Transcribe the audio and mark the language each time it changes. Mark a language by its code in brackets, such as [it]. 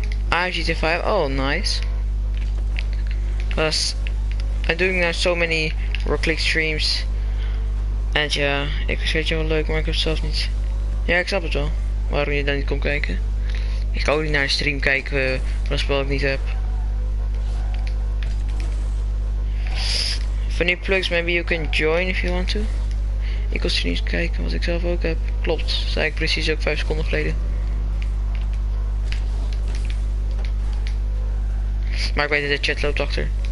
[en] GTA 5, oh nice. Because I'm doing so many Rocklick streams. [nl] En ja, ik vind je wel leuk, maar ik heb zelf niet. Ja, ik snap het wel. Waarom je dan niet komt kijken? Ik ga ook niet naar een stream kijken van een spel dat ik niet heb. [en] For new plugs, maybe you can join if you want to. [nl] Ik kan streams kijken wat ik zelf ook heb. Klopt, zei ik precies ook 5 seconden geleden. Maar ik weet dat de chat loopt achter.